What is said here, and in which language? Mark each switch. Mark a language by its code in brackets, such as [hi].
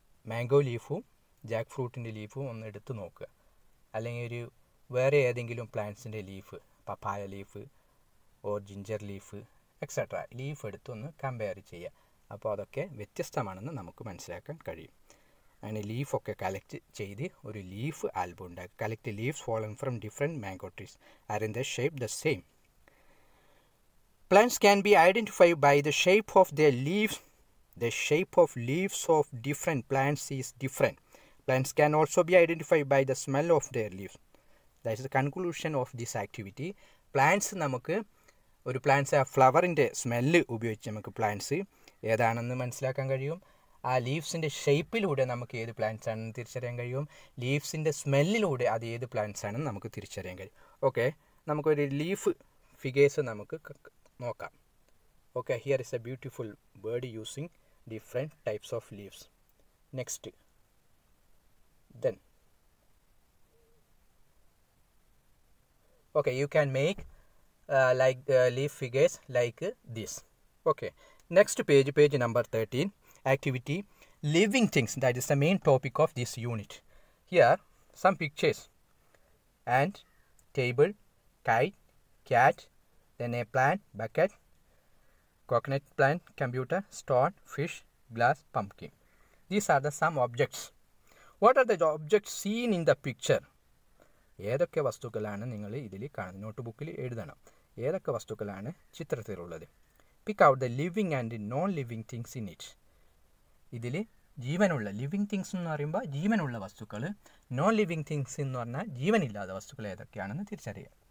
[ml] Mango ലീഫും Jack ഫ്രൂട്ടിൻ്റെ ലീഫും ഒന്ന് എടുത്തു നോക്കുക, അല്ലെങ്കിൽ ഒരു വേറെ ഏതെങ്കിലും പ്ലാന്റ്സിൻ്റെ leaf, papaya leaf or ginger leaf etcetera leaf എടുത്തൊന്ന് compare ചെയ്യുക. അപ്പോൾ അതൊക്കെ വ്യത്യസ്തമാണെന്ന് നമുക്ക് മനസ്സിലാക്കാൻ കഴിയും. അങ്ങനെ ലീഫൊക്കെ കളക്ട് ചെയ്ത് ഒരു ലീഫ് ആൽബം ഉണ്ടാക്കുക. [en] Collect leaves fallen from different mango trees are in the shape the same. Plants can be identified by the shape of their leaves. The shape of leaves of different plants is different. Plants can also be identified by the smell of their leaves. That is the conclusion of this activity. [ml] Plants namukku oru plants a flower inde smell ubayogichu namukku plants edaanannu manasilakkan kaliyum. ആ ലീവ്സിൻ്റെ ഷേപ്പിലൂടെ നമുക്ക് ഏത് plants ആണെന്ന് തിരിച്ചറിയാൻ കഴിയും. ലീവ്സിൻ്റെ സ്മെല്ലിലൂടെ അത് ഏത് plants ആണെന്ന് നമുക്ക് തിരിച്ചറിയാൻ കഴിയും. ഓക്കെ, നമുക്കൊരു ലീഫ് ഫിഗേഴ്സ് നമുക്ക് നോക്കാം. [en] Okay, here is a beautiful bird using different types of leaves. Next then Okay, you can make like the leaf figures like this. Okay, next page, page number 13, activity, living things. That is the main topic of this unit. Here, some pictures. Ant, table, kite, cat, then a plant, bucket, coconut plant, computer, stone, fish, glass, pumpkin. These are the some objects. What are the objects seen in the picture? [ml] ഏതൊക്കെ വസ്തുക്കളാണ് നിങ്ങൾ ഇതിൽ കാണുന്നത്? Not ബുക്കിൽ എഴുതണം. ഏതൊക്കെ വസ്തുക്കളാണ് ചിത്രത്തിലുള്ളത്? [en] Pick out the living and non living things in it. [ml] ഇതിൽ ജീവനുള്ള ലിവിങ് തിങ്സ് എന്ന് പറയുമ്പോൾ ജീവനുള്ള വസ്തുക്കൾ, നോൺ ലിവിങ് തിങ്സ് എന്ന് പറഞ്ഞാൽ ജീവനില്ലാത്ത വസ്തുക്കൾ ഏതൊക്കെയാണെന്ന് തിരിച്ചറിയുക.